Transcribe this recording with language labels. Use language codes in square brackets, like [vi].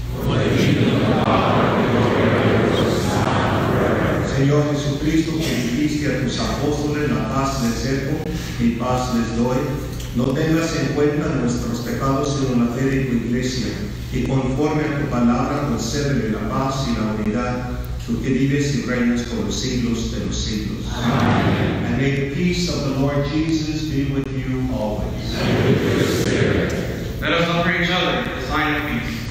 [en] For the kingdom, the power, and the glory are yours, now and forever. Amen. [es] Señor Jesucristo, que dijiste a tus apóstoles, la paz les dejo, mi paz les doy. No tengas en cuenta nuestros pecados, sino la fe de tu iglesia. Y conforme a tu palabra, concédeme la paz y la unidad, tú que vives y reinas por los siglos de los siglos. Amen. [en] And may the peace of the Lord Jesus be with you always. Let us offer each other the sign of peace.